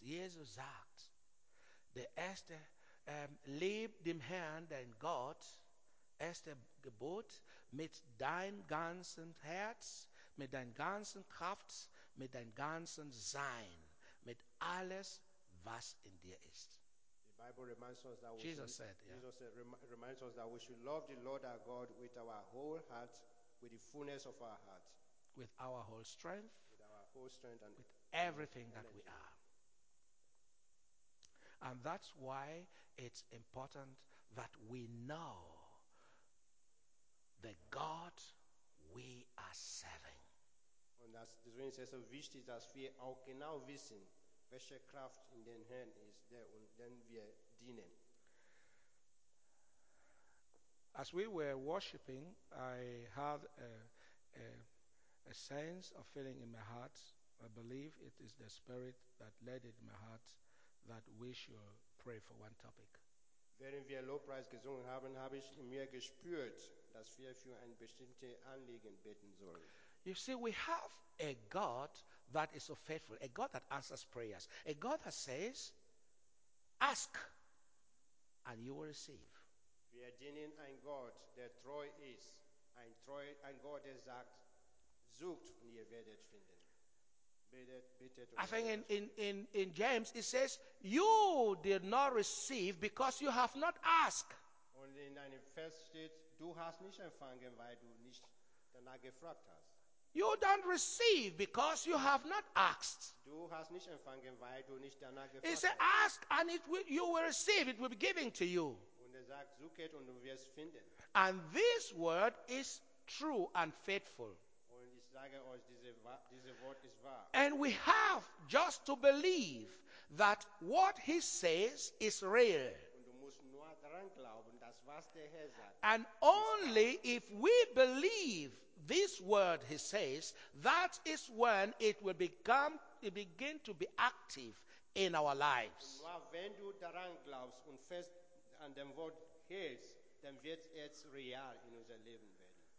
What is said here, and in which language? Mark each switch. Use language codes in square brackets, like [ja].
[de] Jesus sagt, der erste lieb dem Herrn, dein Gott, erste Gebot, mit deinem ganzen Herz, mit deiner ganzen Kraft, mit deinem ganzen Sein, mit alles, was in dir ist. [en] The Bible reminds us that Jesus said that we should love the Lord our God with our whole heart, with the fullness of our heart, with our whole strength, and with everything that we are. And that's why it's important that we know the God we are serving. [de] Und das wenn es so wichtig ist, dass wir auch genau wissen, welche Kraft in den Herrn ist, der und den wir dienen. [en] As we were worshiping, I had a sense of feeling in my heart. I believe it is the Spirit that led it in my heart, that we should pray for one topic. [de] Während wir Lobpreis gesungen haben, habe ich in mir gespürt, dass wir für ein bestimmtes Anliegen beten sollen. [en] You see, we have a God that is so faithful, a God that answers prayers, a God that says, ask and you will receive. [de] Wir dienen ein Gott, der treu ist, ein Gott, der sagt, sucht und ihr werdet finden. [en] I think in James it says, you did not receive because you have not asked. [de] Und in einem Vers steht, du hast nicht empfangen, weil du nicht danach gefragt hast. [en] You don't receive because you have not asked. [de] Du hast nicht empfangen, weil du nicht danach gefragt [en] hast. He said, ask and you will receive, it will be given to you. [de] Und er sagt, suchet und du wirst finden. [en] And this word is true and faithful. [de] Und ich sage euch, diese Wort ist wahr. [en] And we have just to believe that what he says is real. [de] Und du musst nur daran glauben, dass was der Herr sagt. [en] And only if we believe this word he says, that is when it will begin to be active in our lives. [de] Wenn du daran glaubst und fest an dem Wort hältst, dann wird es real in unser Leben werden.